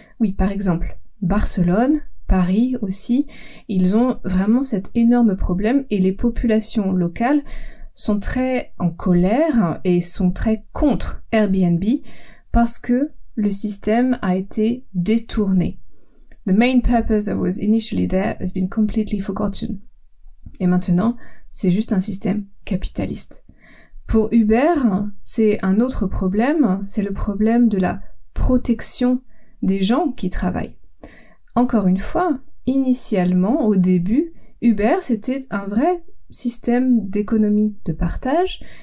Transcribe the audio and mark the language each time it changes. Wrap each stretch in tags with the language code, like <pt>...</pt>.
<fr>Oui, par exemple, Barcelone, Paris aussi, ils ont vraiment cet énorme problème et les populations locales sont très en colère et sont très contre Airbnb parce que le système a été détourné.</fr> <en>The main purpose I was initially there has been completely forgotten.</en> <fr>Et maintenant, c'est juste un système capitaliste. Pour Uber, c'est un autre problème, c'est le problème de la protection des gens qui travaillent. Encore une fois, initialement, au début, Uber, c'était un vrai système d'économie de partage.</fr>